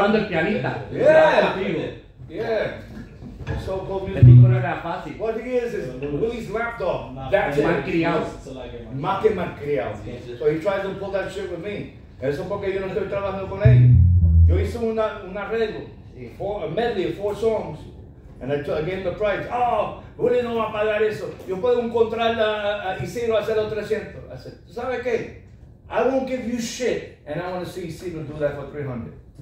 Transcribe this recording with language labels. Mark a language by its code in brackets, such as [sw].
[en] So he tries to pull that shit with me. [es] Eso porque yo no estoy trabajando con él. Yo hice un arreglo, [en] a medley of four songs, and I gave him the price. [es] Oh, Willy no va a pagar eso. Yo puedo encontrar a Isidro hacer los 300. [en] I said, [es] ¿sabe qué? [en] I won't give you shit, and I want to see Isidro do that for 300.